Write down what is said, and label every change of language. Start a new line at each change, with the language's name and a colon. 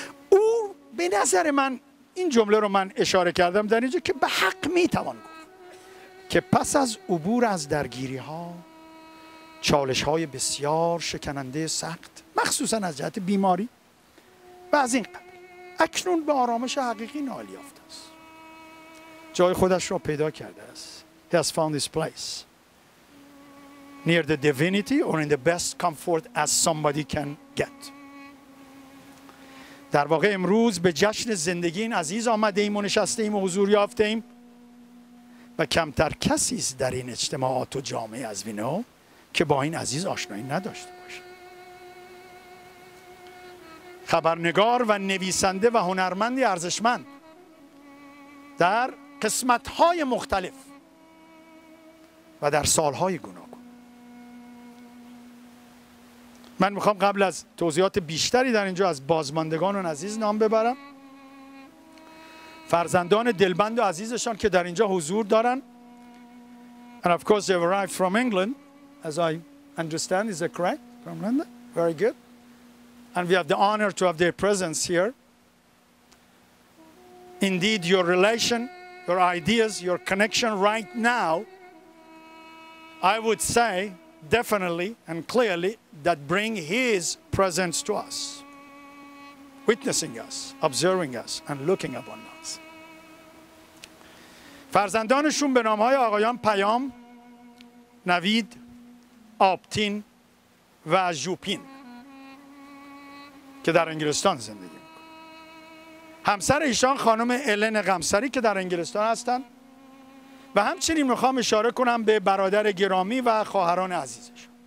Persian: او به نظر من این جمله رو من اشاره کردم در اینجا که به حق میتوان گفت که پس از عبور از درگیری ها، چالش های بسیار شکننده سخت، مخصوصا از جهت بیماری و از این قبل، اکنون به آرامش حقیقی نائل یافته است، جای خودش را پیدا کرده است.
English: He has found his place near the divinity or in the best comfort as somebody can get.
Persian: در واقع امروز به جشن زندگی این عزیز آمده ایم و نشسته ایم و حضور یافته ایم و کمتر کسی است در این اجتماعات و جامعه از وینو که با این عزیز آشنایی نداشته باشه. خبرنگار و نویسنده و هنرمندی ارزشمند در قسمت‌های مختلف و در سال‌های گوناگون. من می‌خوام قبل از توضیحات بیشتری در اینجا از بازماندگان و عزیز نام ببرم، فرزندان دلبند و عزیزشان که در اینجا حضور دارن.
English: And of course they arrived from England, as I understand, is that correct? From London? Very good. And we have the honor to have their presence here. Indeed, your relation, your ideas, your connection right now, I would say definitely and clearly that bring his presence to us, witnessing us, observing us, and looking upon us.
Persian: فرزندانشون به نام‌های آقایان پیام، نوید، آبتین و جوپین که در انگلستان زندگی میکنن. همسر ایشان خانم الن غمسری که در انگلستان هستن و همچنین میخوام اشاره کنم به برادر گرامی و خواهران عزیزش.